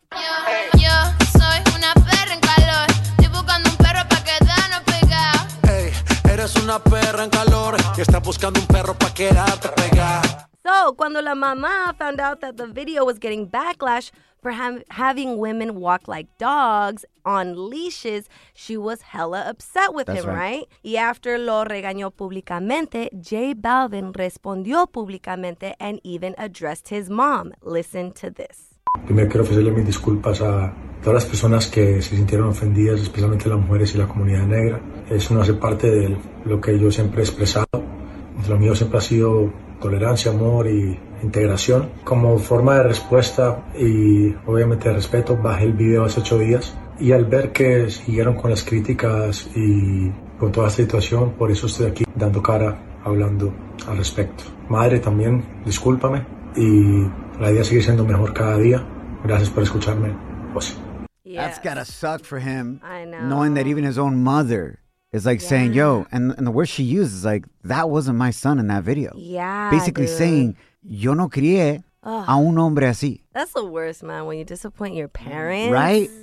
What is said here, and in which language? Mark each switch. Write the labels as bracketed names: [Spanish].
[Spanish] Yo soy una perra en calor, estoy buscando un perro pa' quedarnos pegados. Ey, eres una perra en calor, y está buscando un perro pa' quedarte pegado. [English] So, [Spanish] cuando la mamá [English] found out that the video was getting backlash for having women walk like dogs on leashes, she was hella upset with him, right? [Spanish] Y [English] after [Spanish] lo regañó públicamente, J Balvin respondió públicamente [English] and even addressed his mom. Listen to this. [Spanish] Primero quiero ofrecerle mis disculpas a todas las personas que se sintieron ofendidas, especialmente las mujeres y la comunidad negra. Eso no hace parte de lo que yo siempre he expresado. Lo mío siempre ha sido tolerancia, amor y integración. Como forma de respuesta y obviamente de respeto, bajé el video hace 8 días. Y al ver que siguieron con las críticas y con toda esta situación, por eso estoy aquí dando cara, hablando al respecto. Madre, también discúlpame y la idea sigue siendo mejor cada día. Gracias por escucharme. Pues. [English] Yes. That's gotta suck for him. I know. Knowing that even his own mother is like saying, yo, and the word she used is like, that wasn't my son in that video. Yeah. Basically dude. Saying, [Spanish] yo no crié a un hombre así. [English] That's the worst, man, when you disappoint your parents. Right?